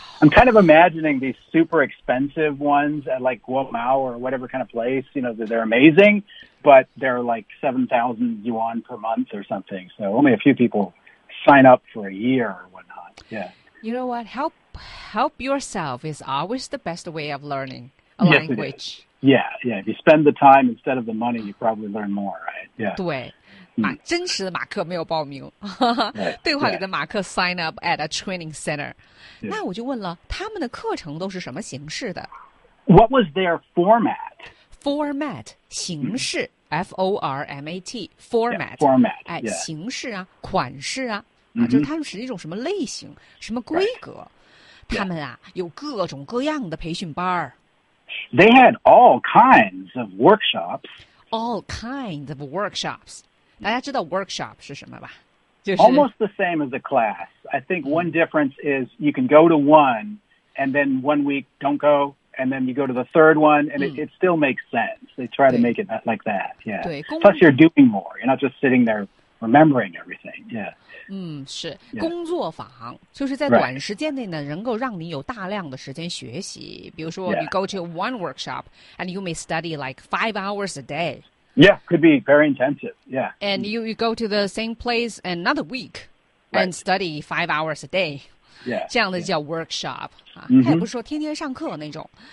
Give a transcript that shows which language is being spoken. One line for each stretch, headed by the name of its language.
English: I'm kind of imagining these super expensive ones at like Guomao or whatever kind of place, you know, they're amazing, but they're like 7,000 yuan per month or something. So only a few people sign up for a year or whatnot. Yeah. You know what? Help yourself is always the best way of learning a language. Yes, it is. Yeah, yeah. If you spend the time instead of the money, you probably learn more, right? Yeah.
Chinese: 对，真实的马克没有报名。对话里的马克
English: sign up at a training center.
Chinese: 那我就问了，他们的课程都是什么形式的
English: ？What was their format? Format 形式 format format format
Chinese: 哎形式啊款式啊啊就是他们是一种什么类型什么规格？他们啊有各种各样的培训班儿。
English: They had all kinds of workshops. All kinds of workshops.
Chinese: 大家知道 workshop 是什么吧？就是
English: almost the same as a class. I think one difference is you can go to one, and then 1 week don't go, and then you go to the third one, and it still makes sense. They try to make it like that. Yeah.
Chinese: 对,
English: Plus, you're doing more. You're not just sitting there remembering everything. Yeah.
Chinese: 是工作坊，就是在短时间内呢，能够让你有大量的时间学习。比如说
English: ，you go to one workshop and you may study like 5 hours a day. Yeah, could be very intensive. Yeah. And you go to the same place another week and study 5 hours a day. Yeah.
Chinese: 这样的叫 workshop 啊，还不是说天天上课那种。